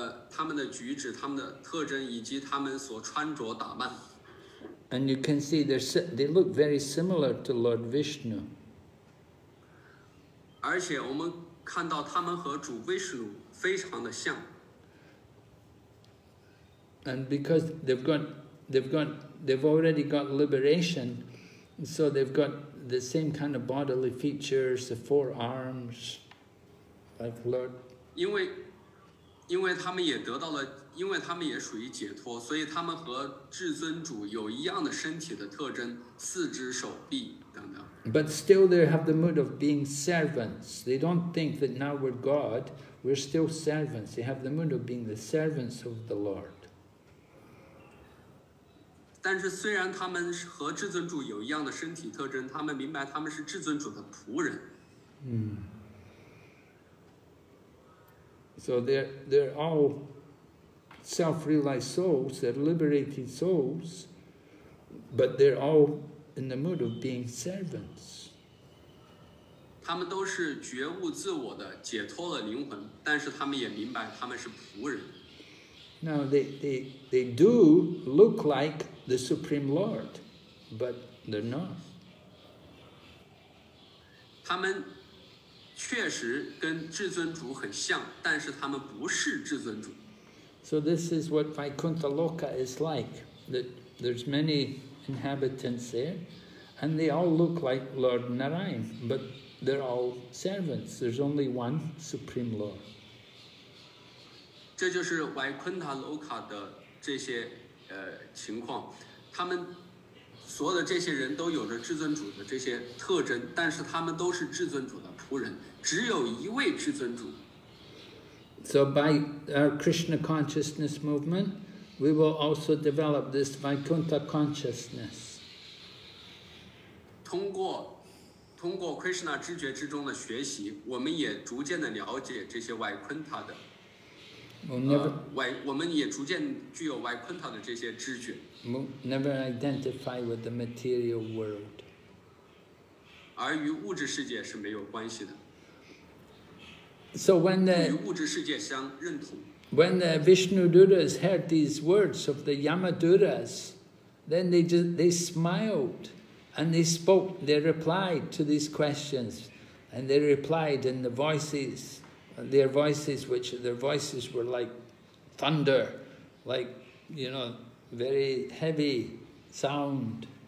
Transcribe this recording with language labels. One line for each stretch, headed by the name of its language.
Chinese: 他们的举止，他们的特征，以及他们所穿着打扮。
English: And you can see they look very similar to Lord Vishnu.
Chinese: 而且我们看到他们和主威士努非常的像。
English: And because they've already got liberation, so they've got the same kind of bodily features, the four arms, like Lord.
Chinese: 因为他们也得到了，因为他们也属于解脱，所以他们和至尊主有一样的身体的特征，四肢、手臂等等。
English: But still, they have the mood of being servants. They don't think that now we're God. We're still servants. They have the mood of being the servants of the Lord.
Chinese: 但是虽然他们和至尊主有一样的身体特征，他们明白他们是至尊主的仆人。
English: So they're all self-realized souls, they're liberated souls, but they're all in the mood of being servants.
Chinese: 他们都是觉悟自我的，解脱了灵魂，但是他们也明白他们是仆人。
English: Now they do look like the Supreme Lord, but they're not.
Chinese: 他们确实跟至尊主很像，但是他们不是至尊主。
English: So this is what Vaikuntha Loka is like. That there's many inhabitants there, and they all look like Lord Narayan, but they're all servants. There's only one Supreme Lord.
Chinese: 这就是 Vaikuntha Loka 的这些情况，他们所有的这些人都有着至尊主的这些特征，但是他们都是至尊主的仆人。只有一位至尊主。
English: So by our Krishna consciousness movement, we will also develop this Vaikuntha consciousness.
Chinese: 通过 Krishna 知觉之中的学习，我们也逐渐的了解这些 Vaikuntha 的。我们也逐渐具有 Vaikuntha 的这些知觉。
English: Never identify with the material world.
Chinese: 而与物质世界是没有关系的。
English: So when the Vishnu Duras heard these words of the Yamaduras, then they smiled and they spoke, they replied to these questions, and they replied in the voices, their voices, which their voices were like thunder, like, you know, very heavy sound.